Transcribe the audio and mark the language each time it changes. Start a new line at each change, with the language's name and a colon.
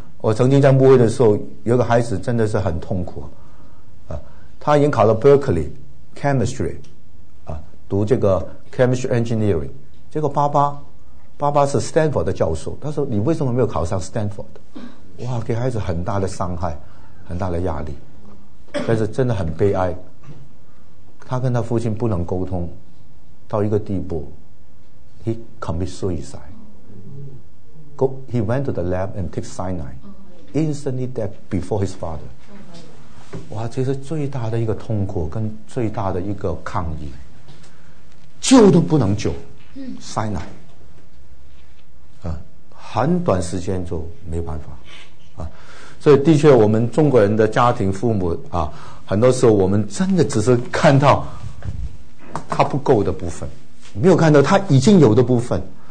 Chinese: 我曾经在牧会的时候有个孩子真的是很痛苦啊，他已经考了 Berkeley Chemistry 啊，读这个 Chemistry Engineering， 结果爸爸是 Stanford 的教授，他说你为什么没有考上 Stanford？哇，给孩子很大的伤害，很大的压力。但是真的很悲哀，他跟他父亲不能沟通，到一个地步 ，
English: he commit suicide. He went to the lab and take cyanide, instantly dead before his father.
Chinese: 哇，这是最大的一个痛苦跟最大的一个抗议，救都不能救 ，cyanide 啊，很短时间就没办法。所以的确我们中国人的家庭父母啊，很多时候我们真的只是看到他不够的部分，没有看到他已经有的部分。